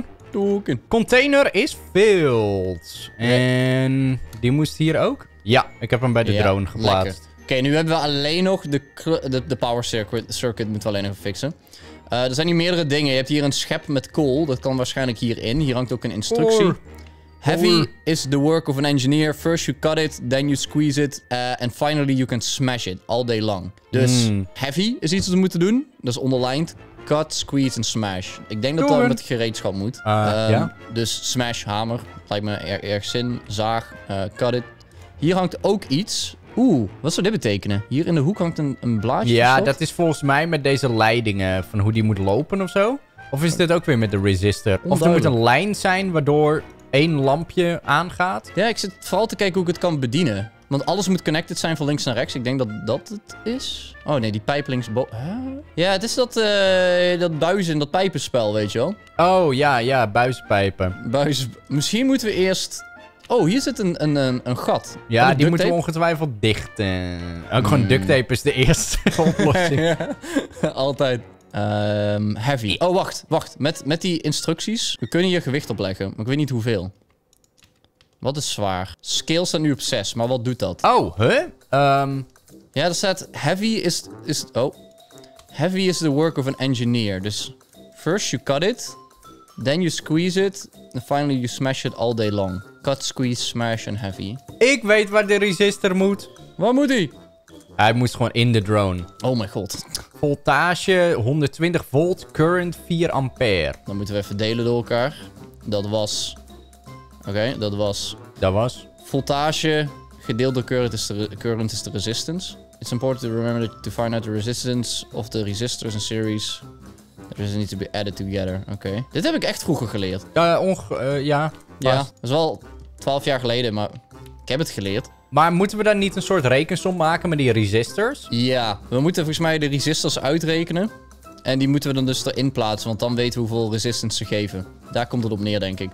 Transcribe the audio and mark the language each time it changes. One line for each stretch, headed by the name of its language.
English: Token. Container is filled.
Dutch: En die moest hier ook? Ja, ik heb hem bij de drone geplaatst. Oké, nu hebben we alleen nog de power circuit moeten we alleen nog fixen. Er zijn hier meerdere dingen. Je hebt hier een schep met kool. Dat kan waarschijnlijk hierin. Hier hangt ook een instructie.
English: Heavy is the work of an engineer. First you cut it, then you squeeze it. And finally you can smash it all day long.
Dutch: Dus heavy is iets wat we moeten doen. Dat is onderlined. Cut, squeeze en smash. Ik denk dat dat met gereedschap moet. Dus smash, hamer. Lijkt me erg zin. Zaag, cut it. Hier hangt ook iets... wat zou dit betekenen? Hier in de hoek hangt een blaadje. Ja, dat is volgens mij met deze leidingen van hoe die moet lopen of zo. Of is dit ook weer met de resistor? Onduidelijk. Of er moet een lijn zijn waardoor één lampje aangaat. Ja, ik zit vooral te kijken hoe ik het kan bedienen. Want alles moet connected zijn van links naar rechts. Ik denk dat dat het is. Oh nee, die pijp linksboven. Huh? Ja, het is dat, dat buizen en dat pijpenspel, weet je wel. Oh ja, ja, buispijpen. Misschien moeten we eerst... Oh, hier zit een gat. Ja, die moeten we ongetwijfeld dichten. Ook gewoon duct tape is de eerste oplossing. Ja, altijd. Heavy. Oh, wacht. Met die instructies. We kunnen hier gewicht op leggen, maar ik weet niet hoeveel. Wat is zwaar? Scale staat nu op 6, maar wat doet dat? Oh, huh? Ja, er staat heavy is... Oh.
English: Heavy is the work of an engineer.
Dutch: Dus
English: first you cut it, then you squeeze it, and finally you smash it all day long. Cut, squeeze, smash and heavy.
Dutch: Ik weet waar de resistor moet. Waar moet hij? Hij moest gewoon in de drone. Oh mijn god. Voltage 120 volt, current 4 ampère. Dan moeten we even delen door elkaar. Dat was... Oké, dat was... Dat was? Voltage gedeeld door current is de resistance.
English: It's important to remember to find out the resistance of the resistors in series. There doesn't need to be added together.
Dutch: Oké. Dit heb ik echt vroeger geleerd. Ja. Ja, dat is wel 12 jaar geleden, maar ik heb het geleerd. Maar moeten we dan niet een soort rekensom maken met die resistors? Ja, we moeten volgens mij de resistors uitrekenen. En die moeten we dan dus erin plaatsen, want dan weten we hoeveel resistance ze geven. Daar komt het op neer, denk ik.